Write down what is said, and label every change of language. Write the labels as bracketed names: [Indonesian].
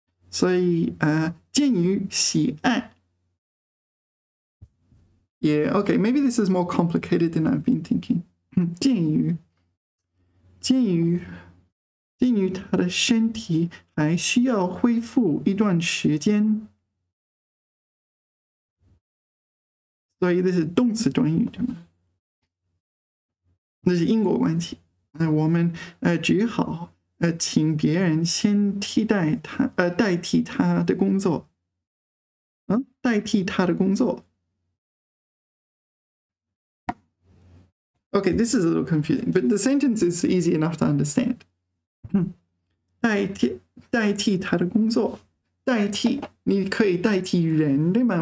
[Chinese] 所以鉴于喜爱， [English] Okay，maybe this is more complicated than I've been thinking。 [Chinese] 鉴于他的身体还需要恢复一段时间。所以这是动词短语，对吗？那是因果关系。我们只好请别人先替代他，代替他的工作。代替他的工作。 [English] Okay, this is a little confusing, but the sentence is easy enough to understand. [Chinese] 代替他的工作，代替，你可以代替人，对吗？